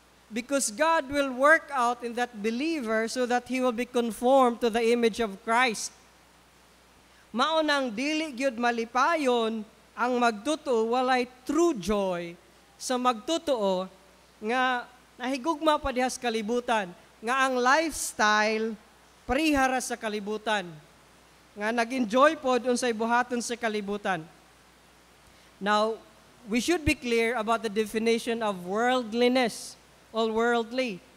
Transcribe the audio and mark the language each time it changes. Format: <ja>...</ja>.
<en>Because God will work out in that believer so that he will be conformed to the image of Christ.</en> <ceb>Mao nang dili gyud malipayon ang magtotoo, walay</ceb> <en>true joy</en> <ceb>sa magtotoo nga nahigugma pa diha sa kalibutan, nga ang lifestyle prihara sa kalibutan, nga nag-enjoy pod unsay buhaton sa kalibutan.</ceb> <en>Now, we should be clear about the definition of worldliness, all worldly.</en>